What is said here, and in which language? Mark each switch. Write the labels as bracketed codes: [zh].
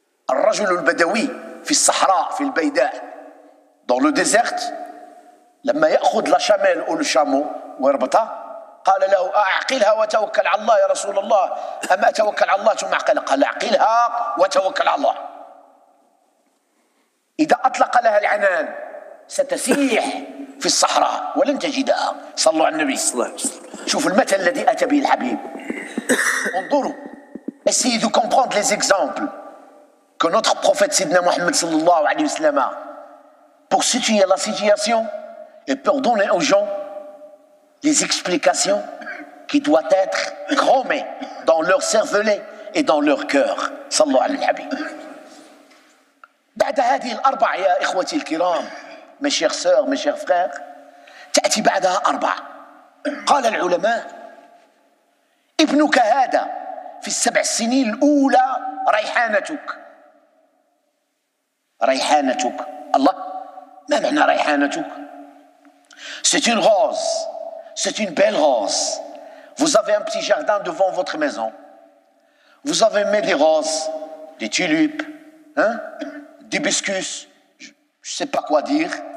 [ar] الرجل البدوي في الصحراء في البيداء [fr] دولو ديزيرت، [ar] لما يأخذ لشاميل أو لشامو ويربطه، قال له: أعقلها وتوكل على الله يا رسول الله، أما توكل على الله ثم أعقلها؟ قال: أعقلها وتوكل على الله. إذا أطلق لها العنان ستسيح في الصحراء ولن تجدها. صلوا على النبي. شوف المثل الذي أتى به الحبيب. [fr] انظروا، essayez de comprendre les exemples que notre prophète [ar] سيدنا محمد صلى الله عليه وسلم [fr] pour situer la situation et pour donner aux gens les explications qui doivent être cromées dans leur cervelet et dans leur cœur. [ar] صلوا على الحبيب. بعد هذه الأربع يا إخوتي الكرام، [fr] mes chers sœurs, mes chers frères، [ar] تأتي بعدها أربع. قال العلماء: ابنك هذا في السبع سنين الأولى ريحانتك. ريحانتك، الله، ما معنى ريحانتك؟ [fr] c'est une rose, c'est une belle rose. Vous avez un petit jardin devant votre maison. Vous avez mis des roses, des tulipes, hein, d'hibiscus, je ne sais pas quoi dire.